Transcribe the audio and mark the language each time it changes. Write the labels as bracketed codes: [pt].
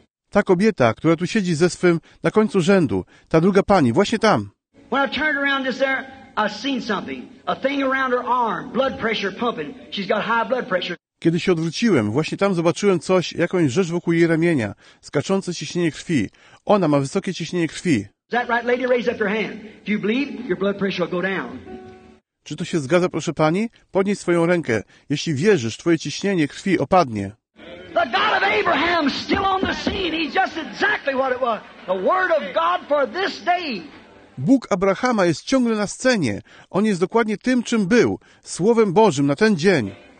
[pl] Ta kobieta, która tu siedzi ze swym na końcu rzędu, ta druga pani, właśnie tam. [en] When I turned around this there, I've seen something. A thing around her arm, blood pressure pumping. She's got high blood pressure. [pl] Kiedy się odwróciłem, właśnie tam zobaczyłem coś, jakąś rzecz wokół jej ramienia, skaczące ciśnienie krwi. Ona ma wysokie ciśnienie krwi. [en] Is that right, lady? Raise up your hand. If you believe, your blood pressure will go down. [pl] Czy to się zgadza, proszę pani? Podnieś swoją rękę. Jeśli wierzysz, twoje ciśnienie krwi opadnie. [en] The God of Abraham still on the scene. He's just exactly what it was. The word of God for this day. [pl] Bóg Abrahama jest ciągle na scenie. On jest dokładnie tym, czym był, Słowem Bożym na ten dzień.